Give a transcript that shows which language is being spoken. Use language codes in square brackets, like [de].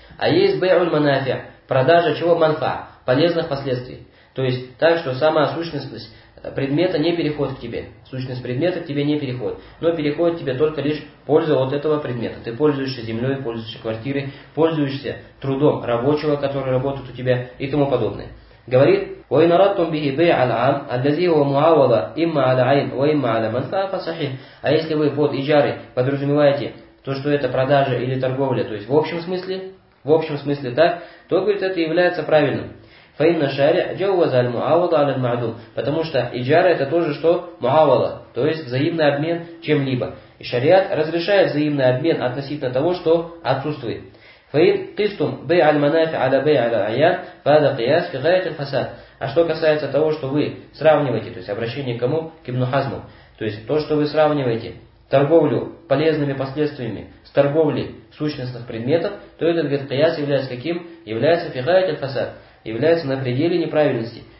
[ru] А есть бэйуль манафиа, продажа чего? Манфа, полезных последствий. То есть так, что сама сущность предмета не переходит к тебе. Сущность предмета к тебе не переходит. Но переходит тебе только лишь польза от этого предмета. Ты пользуешься землей, пользуешься квартирой, пользуешься трудом рабочего, который работает у тебя и тому подобное. Говорит, [ar] وإن أردتم به بيع العام الذي هو معاوضة إما على عين وإما على منفعة فصحيح. [ru] А если вы под иджарой подразумеваете то, что это продажа или торговля, то есть в общем смысле, так, то, говорит, это является правильным. [ar] فإن الشارع جوز المعاوضة على المعدوم. [ru] Потому что иджара это тоже что? Муавада, то есть взаимный обмен чем-либо. И шариат разрешает взаимный обмен относительно того, что отсутствует. [ar] فإن قستم بيع المنافع على بيع العيان فهذا قياس في غاية الفساد. [ru] А что касается того, что вы сравниваете, то есть обращение к кому? К Ибн Хазму. То есть то, что вы сравниваете торговлю полезными последствиями с торговлей сущностных предметов, то этот говорит, кияс является каким? Является фигаят аль-фасад. Является на пределе неправильности.